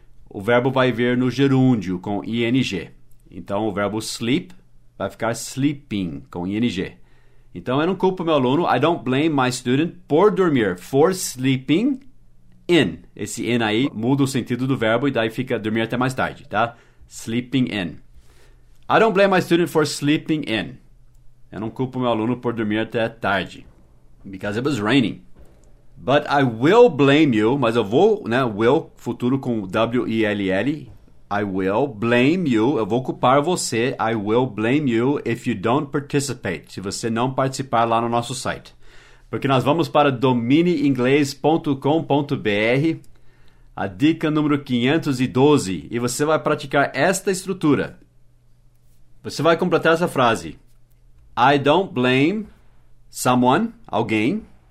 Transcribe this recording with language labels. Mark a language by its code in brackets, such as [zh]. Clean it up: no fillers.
[pt] O verbo vai vir no gerúndio com ing. Então o verbo sleep vai ficar sleeping com ing. Então eu não culpo meu aluno, [en] I don't blame my student [pt] por dormir, [en] for sleeping in. [pt] Esse in aí muda o sentido do verbo e daí fica dormir até mais tarde, tá? [en] Sleeping in. I don't blame my student for sleeping in. [pt] Eu não culpo meu aluno por dormir até tarde. [en] Because it was raining. But I will blame you. [pt] Mas eu vou, né? [en] Will, [pt] futuro com [en] W-E-L-L. I will blame you. [pt] Eu vou culpar você. [en] I will blame you if you don't participate. [pt] Se você não participar lá no nosso site. Porque nós vamos para domineinglês.com.br. A dica número 512. E você vai praticar esta estrutura. Você vai completar essa frase. [en] I don't blame someone, [pt] alguém.